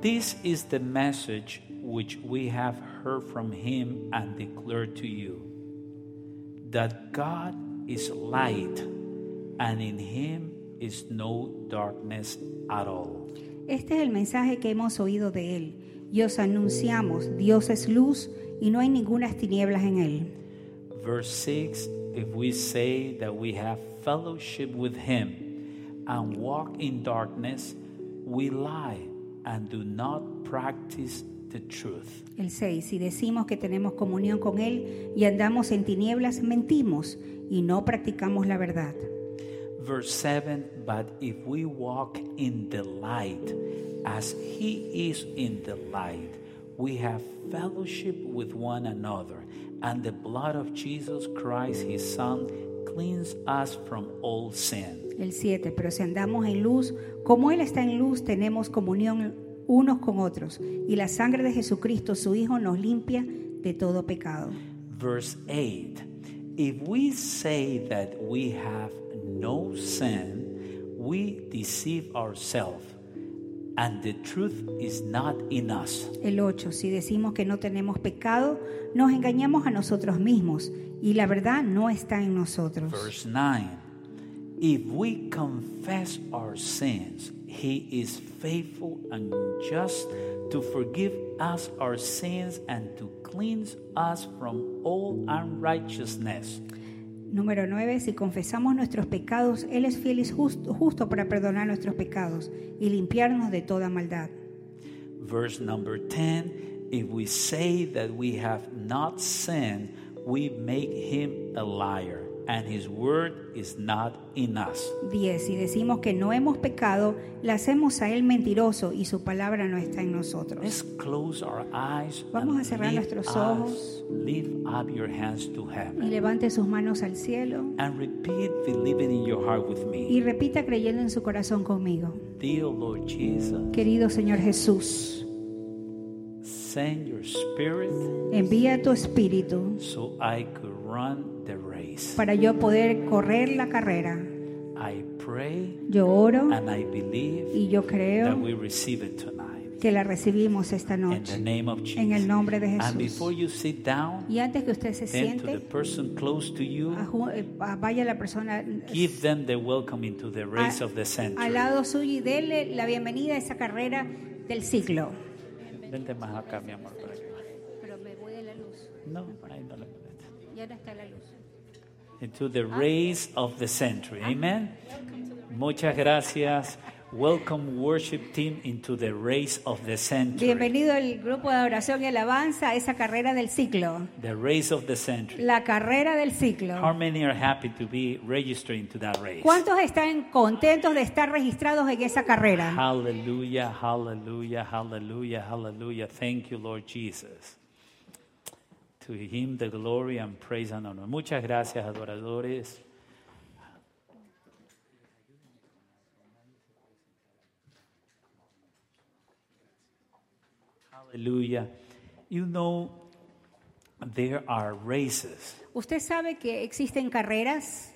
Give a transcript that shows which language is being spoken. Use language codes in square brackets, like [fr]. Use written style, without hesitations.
[en] This is the message which we have heard from him and declare to you, that God is light, and in him is no darkness at all. [es] Este es el mensaje que hemos oído de él. Y os anunciamos, Dios es luz y no hay ninguna tinieblas en él. [en] Verse 6, if we say that we have fellowship with him and walk in darkness, we lie and do not practice the truth. [es] El 6, si decimos que tenemos comunión con él y andamos en tinieblas, mentimos y no practicamos la verdad. [en] Verse 7, but if we walk in the light, as he is in the light, we have fellowship with one another, and the blood of Jesus Christ, his Son, cleanses us from all sin. [es] El 7, pero si andamos en luz, como él está en luz, tenemos comunión unos con otros, y la sangre de Jesucristo, su Hijo, nos limpia de todo pecado. [en] Verse 8, if we say that we have no sin, we deceive ourselves, and the truth is not in us. [es] El 8, si decimos que no tenemos pecado, nos engañamos a nosotros mismos, y la verdad no está en nosotros. [en] Verse 9, if we confess our sins, he is faithful and just to forgive us our sins and to cleanse us from all unrighteousness. [es] Número 9, si confesamos nuestros pecados, él es fiel y justo para perdonar nuestros pecados y limpiarnos de toda maldad. [en] Verse number 10, if we say that we have not sinned, we make him a liar and his word is not in us. [es] 10, si decimos que no hemos pecado, le hacemos a él mentiroso y su palabra no está en nosotros. [en] Let's close our eyes. [es] Vamos a cerrar nuestros ojos. [en] Lift up your hands to heaven. [es] Y levante sus manos al cielo. [en] And repeat believing in your heart with me. [es] Y repita creyendo en su corazón conmigo. [en] Dear Lord Jesus. [es] Querido Señor Jesús. [en] Send your spirit. [es] Envía tu espíritu. [en] So I could run the race. [es] Para yo poder correr la carrera. [en] I pray. [es] Yo oro. [en] And I believe. [es] Y yo creo. [en] That we receive it tonight. [es] Que la recibimos esta noche en el nombre de Jesús. [en] And before you sit down, [es] y antes que usted se siente, [en] the person close to you, [es] vaya la persona, [en] give them the welcome into the race of the century. [es] Al lado suyo y dele la bienvenida a esa carrera del siglo. Vente más acá, mi amor, para que... Pero me voy de la luz. No, ahí no le molesta. Ya no está la luz. [en] Into the race of the century. Amen. [es] Muchas gracias. [en] Welcome worship team into the race of the century. [es] Bienvenido al grupo de adoración y alabanza a esa carrera del siglo. [en] The race of the century. [es] La carrera del siglo. [en] How many are happy to be registered into that race? [es] ¿Cuántos están contentos de estar registrados en esa carrera? [en] Hallelujah, hallelujah, hallelujah, hallelujah. Thank you, Lord Jesus. To him the glory and praise and honor. [es] Muchas gracias, adoradores. [en] Hallelujah. You know, there are races. [es] ¿Usted sabe que existen carreras?